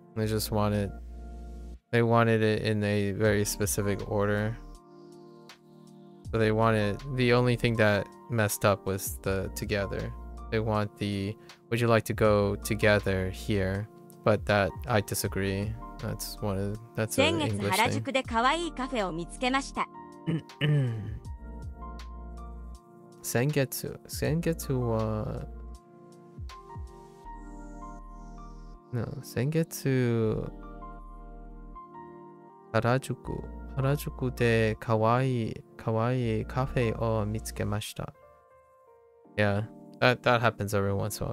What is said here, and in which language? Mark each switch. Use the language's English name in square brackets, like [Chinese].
[English] They wanted it in a very specific order, so they wanted, the only thing that messed up was the together. They want the, would you like to go together here, but that I disagree. That's one of the, that's an English thing. [Japanese] 先月原宿で可愛いカフェを見つけました。先月、先月は、no, 先月、原宿で可愛い可愛いカフェを見つけました。 [English] Yeah, that happens every once in a while.